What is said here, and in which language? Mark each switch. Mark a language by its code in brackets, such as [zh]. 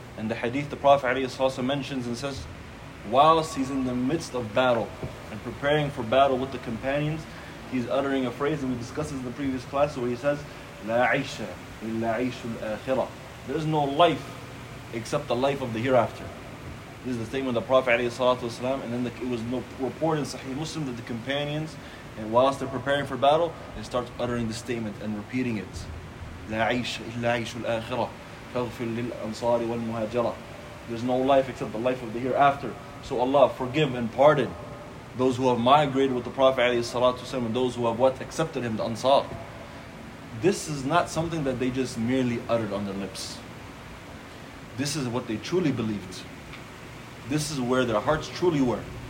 [en] And the hadith, the Prophet ﷺ mentions and says, whilst he's in the midst of battle and preparing for battle with the companions, he's uttering a phrase, and we discussed this in the previous class, where he says, [ar] la 'aysha illa 'aysul akhirah. [en] There is no life except the life of the hereafter. This is the statement of the Prophet ﷺ, and then it was reported in Sahih Muslim that the companions, and whilst they're preparing for battle, they start uttering the statement and repeating it. [ar] لا عيش إلا عيش الآخرة فاغفر للأنصار والمهاجرة. [en] There's no life except the life of the hereafter. So Allah, forgive and pardon those who have migrated with the Prophet ﷺ and those who have what? Accepted him, the Ansar. This is not something that they just merely uttered on their lips. This is what they truly believed. This is where their hearts truly were.